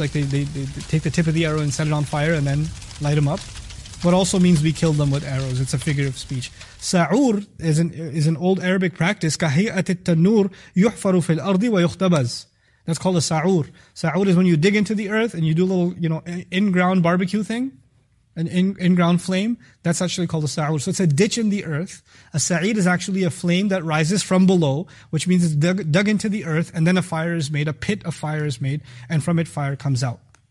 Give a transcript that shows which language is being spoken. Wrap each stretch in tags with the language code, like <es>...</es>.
<en>Like they take the tip of the arrow and set it on fire and then light them up. But also means we killed them with arrows. It's a figure of speech. سَعُور is an old Arabic practice.</en> <ar>كَهِيَأَتِ التَّنُورِ يُحْفَرُ فِي الْأَرْضِ وَيُخْتَبَزِ</ar> <en>That's called a sa'ur. Sa'ur is when you dig into the earth and you do a little, in-ground barbecue thing, an in-ground flame. That's actually called a sa'ur. So it's a ditch in the earth. A sa'ir is actually a flame that rises from below, which means it's dug into the earth, and then a pit of fire is made, and from it fire comes out.</en>